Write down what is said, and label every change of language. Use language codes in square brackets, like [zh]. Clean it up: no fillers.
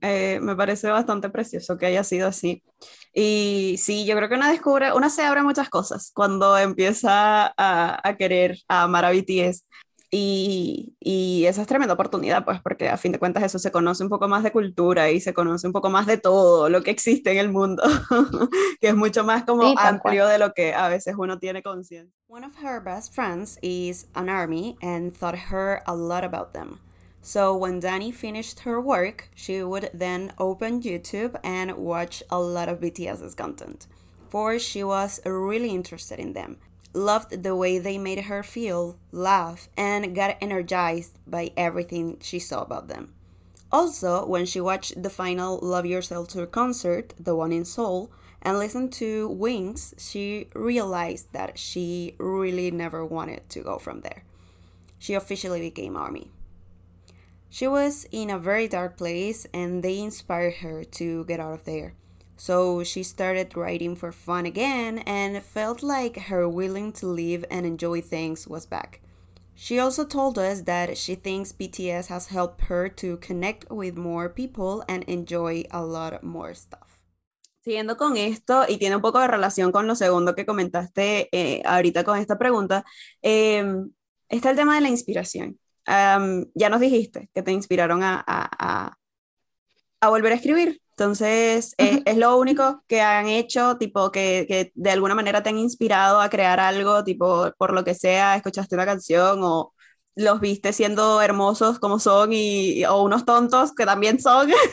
[es] Me parece bastante precioso que haya sido así. Y sí, yo creo que una se abre muchas cosas cuando empieza a querer a amar a BTS. Y esa es tremenda oportunidad, pues, porque a fin de cuentas eso se conoce un poco más de cultura y se conoce un poco más de todo lo que existe en el mundo, que es mucho más como sí, amplio cual. De lo que a veces uno tiene conciencia. [en] One of her best friends is an army and taught her a lot about them. So when Dani finished her work, she would then open YouTube and watch a lot of BTS's content. For she was really interested in them. Loved the way they made her feel, laugh, and got energized by everything she saw about them. Also, when she watched the final Love Yourself Tour concert, the one in Seoul, and listened to Wings, she realized that she really never wanted to go from there. She officially became ARMY. She was in a very dark place, and they inspired her to get out of there. So she started writing for fun again and felt like her willing to live and enjoy things was back. She also told us that she thinks BTS has helped her to connect with more people and enjoy a lot more stuff. [es] Siguiendo con esto, y tiene un poco de relación con lo segundo que comentaste ahorita con esta pregunta, está el tema de la inspiración. Ya nos dijiste que te inspiraron a volver a escribir. Entonces, ¿es lo único que han hecho, tipo, que de alguna manera te han inspirado a crear algo, tipo, por lo que sea, escuchaste una canción o los viste siendo hermosos como son y, o unos tontos que también son?